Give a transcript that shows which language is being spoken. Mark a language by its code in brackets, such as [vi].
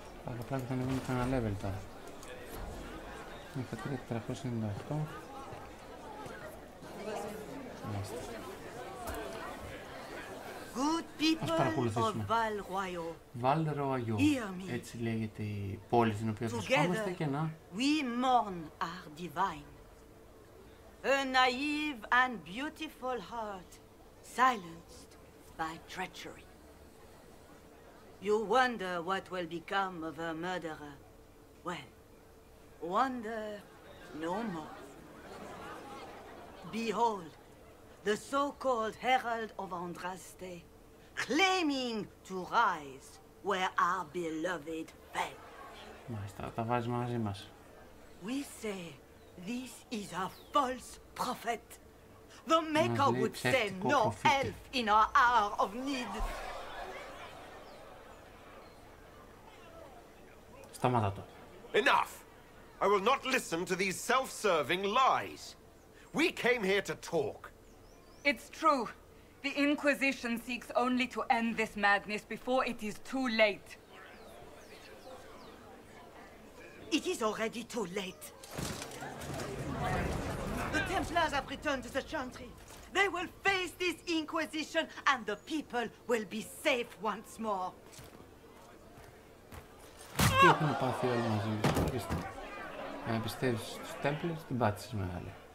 [el] Άλλο πράγμα θα ανεβούμε κανένα level τώρα. Μέχρι 398. Ας παρακολουθήσουμε. Val Royo, έτσι λέγεται η πόλη στην οποία βρισκόμαστε και να... [en] We mourn our divine. A naive and beautiful heart, silenced by treachery. You wonder what will become of a murderer. Well, wonder no more. Behold, the so-called Herald of Andraste, claiming to rise. Where our beloved fell. [el] Μάλιστα, τα βάζει μαζί μας. [en] We say this is a false prophet. The Maker would say no elf in our hour of need. [el] Σταμάτα το. [en] Enough! I will not listen to these self-serving lies. We came here to talk. It's true. The Inquisition seeks only to end this madness before it is too late. It is already too late. The Templars have returned to the Chantry. They will face this Inquisition and the people will be safe once more. [el] Τι έχουν πάθει όλοι μαζί μας, ορίστε. Αν πιστεύεις στους Templars, την πάτησες μεγάλη.